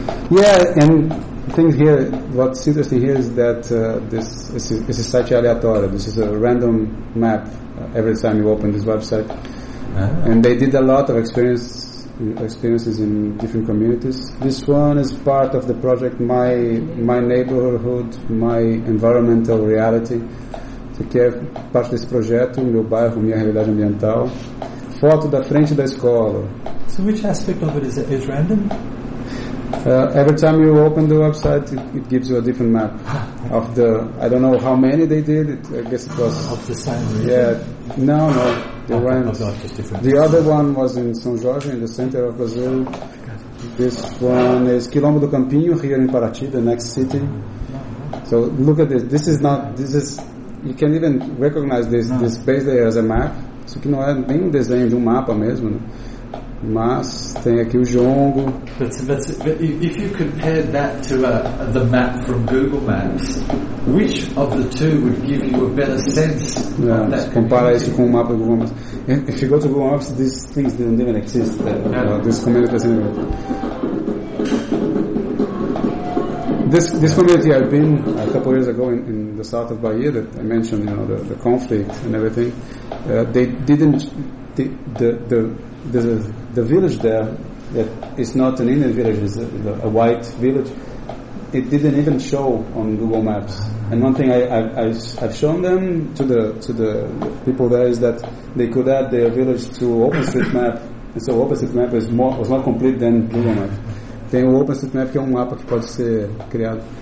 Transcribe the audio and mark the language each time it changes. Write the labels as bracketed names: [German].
[English] Yeah, and the thing here, what's interesting here is that this is a site aleatório. This is a random map every time you open this website. Uh-huh. And they did a lot of experiences in different communities. This one is part of the project My Neighborhood, My Environmental Reality. [Portuguese] Isso aqui é parte desse projeto, meu bairro, minha realidade ambiental. Foto da frente da escola. [English] So which aspect of it is it? Is random? Every time you open the website, it gives you a different map of the. I don't know how many they did. I guess it was of the same. Region. Yeah, no, they ran. Different. The other one was in São Jorge, in the center of Brazil. This one is Quilombo do Campinho here in Paraty, the next city. So look at this. This is not. You can even recognize this space there as a map. [Portuguese] Isso aqui não é bem um desenho de um mapa mesmo, né? Mas tem aqui o Jongo. [English] But if you compare that to the map from Google Maps, which of the two would give you a better sense? [Portuguese] Yeah, compara isso com o mapa do Google Maps. [English] If you go to Google Maps, these things didn't even exist. This community doesn't even. This community I've been a couple years ago in the south of Bahia that I mentioned, you know, the conflict and everything. The village there, that is not an Indian village, it's a white village, it didn't even show on Google Maps. And one thing I've shown them to the people there is that they could add their village to OpenStreetMap, and so OpenStreetMap was more complete than Google Maps. [Portuguese] Tem o OpenStreetMap, que é um mapa que pode ser criado.